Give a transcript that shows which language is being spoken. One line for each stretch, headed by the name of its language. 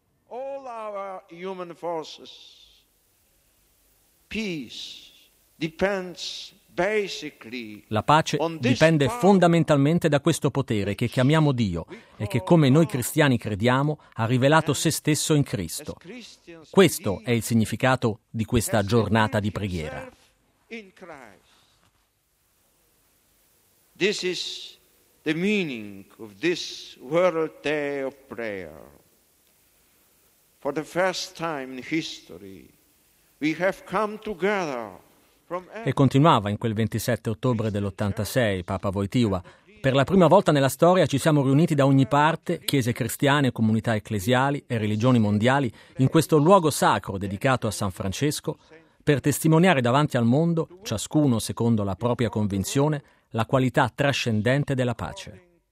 English: All our human forces, peace depends basically.
Italian: La pace dipende fondamentalmente da questo potere che chiamiamo Dio e che, come noi cristiani crediamo, ha rivelato se stesso in Cristo. Questo è il significato di questa giornata di preghiera.
English: In Christ. This is the meaning of this World Day of Prayer. For the first time in history, we have come together.
Italian: E continuava in quel 27 ottobre dell'86 Papa Wojtyła. Per la prima volta nella storia ci siamo riuniti da ogni parte, chiese cristiane, comunità ecclesiali e religioni mondiali, in questo luogo sacro dedicato a San Francesco, per testimoniare davanti al mondo, ciascuno secondo la propria convinzione, la qualità trascendente della pace.